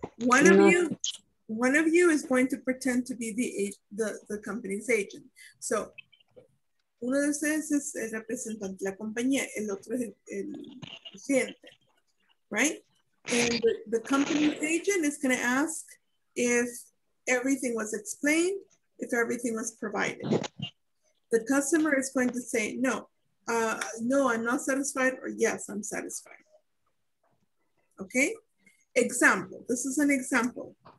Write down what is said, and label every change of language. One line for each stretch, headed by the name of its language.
English: One of you is going to pretend to be the company's agent.
Spanish: So, uno de ustedes es el representante de la compañía, el otro es el cliente,
English: right? And the company's agent is going to ask if everything was explained, if everything was provided. The customer is going to say, no, I'm not satisfied, or yes, I'm satisfied. Okay? Example. This is an example.